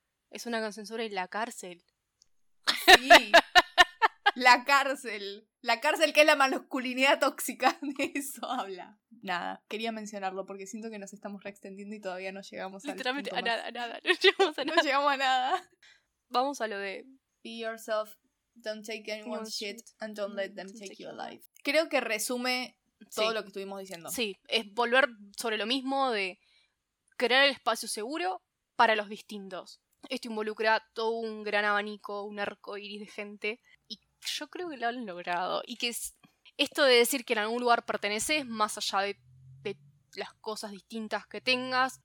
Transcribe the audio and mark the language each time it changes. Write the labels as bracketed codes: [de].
[es] Es una canción sobre la cárcel. Sí. La cárcel. La cárcel, que es la masculinidad tóxica. De eso habla. Nada, quería mencionarlo porque siento que nos estamos reextendiendo y todavía no llegamos a nada. Literalmente a nada, No llegamos a nada. Vamos a lo de... [en] Be yourself, don't take anyone's shit, and don't let them take your life. [es] Creo que resume todo lo que estuvimos diciendo. Sí, es volver sobre lo mismo de crear el espacio seguro para los distintos. Esto involucra todo un gran abanico, un arco iris de gente. Y yo creo que lo han logrado. Y que es esto de decir que en algún lugar perteneces, más allá de las cosas distintas que tengas.